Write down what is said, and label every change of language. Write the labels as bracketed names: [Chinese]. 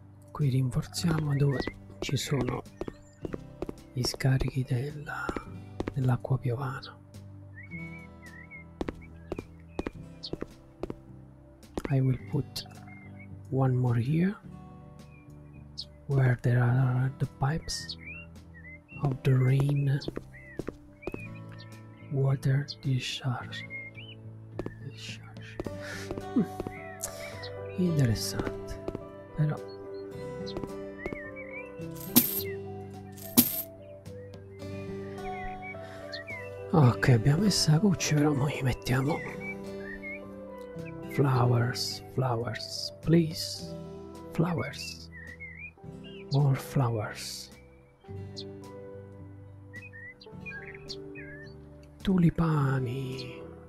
[Italian] Qui rinforziamo dove ci sono gli scarichi dell'acqua piovana. [English] I will put one more here where there are the pipes of the rain water discharge. [Italian] Interessante, però ok, abbiamo messo la cuccia, però noi mettiamo [English] flowers, please, flowers, more flowers, [Italian] tulipani.